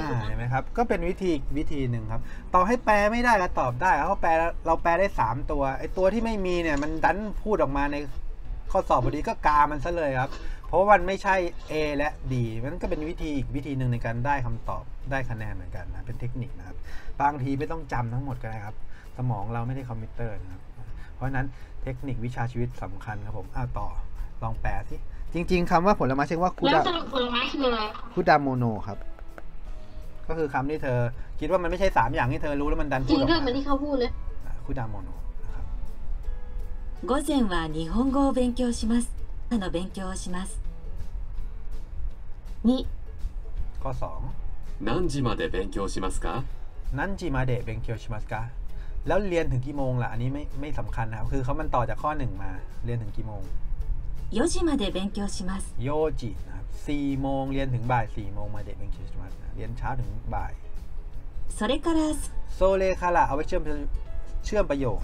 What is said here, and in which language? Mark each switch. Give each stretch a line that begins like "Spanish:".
Thai: ถูกไหมครับก็เป็นวิธีหนึ่งครับต่อให้แปลไม่ได้ก็ตอบได้เพราะแปลเราแปลได้3ตัวไอ้ตัวที่ไม่มีเนี่ยมันดันพูดออกมาในข้อสอบพอดีก็กามันซะเลยครับเพราะมันไม่ใช่ A และ B มันก็เป็นวิธีหนึ่งในการได้คำตอบได้คะแนนเหมือนกันนะเป็นเทคนิคนะครับบางทีไม่ต้องจำทั้งหมดก็ได้ครับสมองเราไม่ได้คอมพิวเตอร์นะครับเพราะนั้นเทคนิควิชาชีวิตสำคัญครับผมต่อลองแปลสิจริงๆคำว่าผลไม้เช่นว่า คุด า ผลไม้คืออะไร คุดาโมโนครับก็คือคำที่เธอคิดว่ามันไม่ใช่3อย่างที่เธอรู้แล้วมันดันพูดออกมา จริงๆเหมือนที่เขาพูดเลย คุดาโมโน
Japanese: 午前は日本語を勉強します。他の勉強をします。 2課3 何時まで勉強しますか？何時まで勉強しますか？
Thai: แล้วเรียนถึงกี่โมงล่ะอันนี้ไม่สำคัญนะคือเขามันต่อจากข้อ1มาเรียนถึงกี่โมง
Japanese: 4時まで勉強します。
Thai: 4時นะ4โมงเรียนถึงบ่าย4โมง
Japanese: まで勉強します
Thai: เรียนเช้าถึงบ่าย
Japanese: それから
Thai: それからเอาไว้เชื่อมประโยค